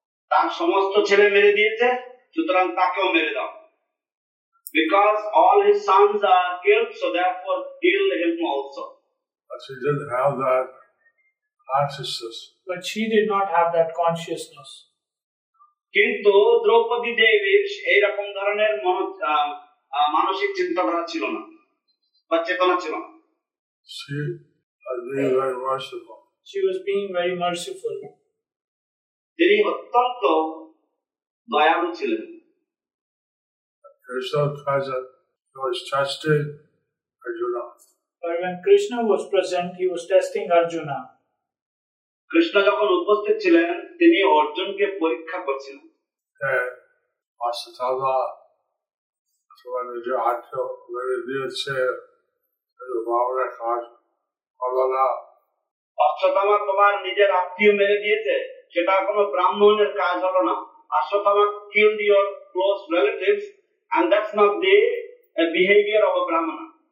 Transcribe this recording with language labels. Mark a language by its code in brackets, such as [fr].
[bn] তার সমস্ত ছেলে মেরে দিয়েছে সুতরাং তাকেও মেরে দাও [en] because all his sons are killed so therefore kill him also but she didn't have that consciousness but she did not have that consciousness [bn] কিন্তু দ্রৌপদী দেবীর এই রকম ধরনের মানসিক চিন্তাধারা ছিল না বা চেতনা ছিল না [en] She was being very merciful. She was being very merciful. [bn] তিনি অত্যন্ত দয়ালু ছিলেন. [en] Krishna was testing Arjuna. But when Krishna was present, he was testing Arjuna. [bn] Krishna যখন উপস্থিত ছিলেন তিনি অর্জুনকে পরীক্ষা করছিলেন অশ্বতামা তোমার নিজের আত্মীয় মেরে দিয়েছে সেটা কোন ব্রাহ্মণের কাজ হলো না [en] Ashwatthama killed your close relatives and that's not the behavior of a brahmana